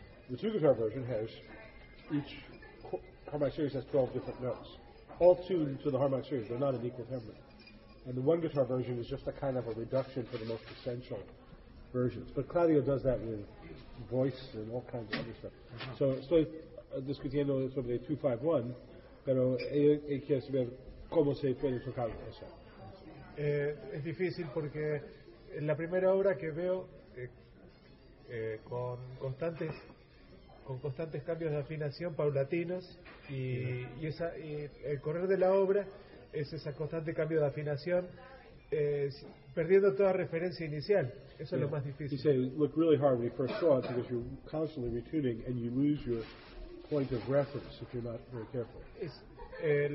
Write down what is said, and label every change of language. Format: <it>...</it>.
<en>The two guitar version has each harmonic series has 12 different notes. All tuned to the harmonic series, they're not in equal timbre. And the one guitar version is just a kind of a reduction for the most essential versions. But Claudio does that with voice and all kinds of other stuff. Uh-huh.</en> <es>So estoy discutiendo sobre el 2-5-1, pero él quiere saber cómo se puede tocar eso. Es difícil porque la primera obra que veo con constantes cambios de afinación paulatinos y el correr de la obra es ese constante cambio de afinación perdiendo toda referencia inicial. Eso es lo más difícil.</es> <en>He said it looked really hard when he first saw it because you're constantly retuning and you lose your point of reference if you're not very careful.</en>